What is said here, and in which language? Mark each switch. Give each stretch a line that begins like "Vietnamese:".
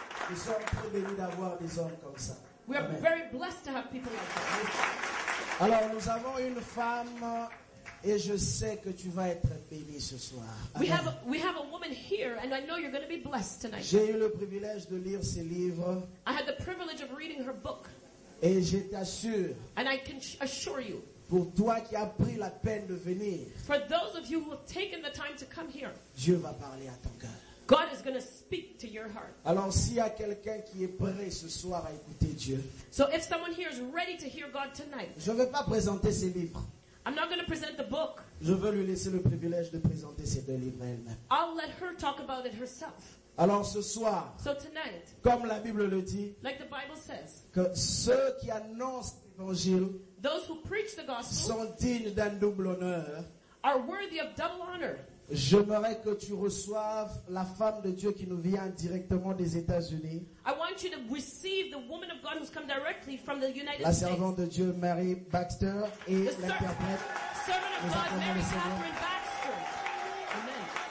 French: Nous sommes très bénis d'avoir des hommes comme ça.
English: We are very blessed to have people like that.
French: Alors nous avons une femme. Et je sais que tu vas être béni ce soir.
English: We have a woman here, and I know you're going to be blessed tonight.
French: J'ai eu le privilège de lire ses livres.
English: I had the privilege of reading her book.
French: Et je t'assure.
English: And I can assure you.
French: Pour toi qui as pris la peine de venir.
English: For those of you who have taken the time to come here.
French: Dieu va parler à ton cœur.
English: God is going to speak to your heart.
French: Alors s'il y a quelqu'un qui est prêt ce soir à écouter Dieu.
English: So if someone here is ready to hear God tonight.
French: Je ne vais pas présenter ses livres.
English: I'm not going to present the book.
French: Je veux lui laisser le privilège de présenter ses deux livres elle-même.
English: I'll let her talk about it herself.
French: Alors ce soir,
English: so tonight,
French: comme la Bible le dit,
English: like the Bible says,
French: que ceux qui annoncent l'évangile,
English: those who preach the gospel,
French: sont dignes d'un double honneur,
English: are worthy of double honor.
French: J'aimerais que tu reçoives la femme de Dieu qui nous vient directement des États-Unis.
English: I want you to receive the woman of God who's come directly from the United States.
French: La servante de Dieu Mary Baxter et l'interprète.
English: Servant of God Mary Catherine Baxter. Amen.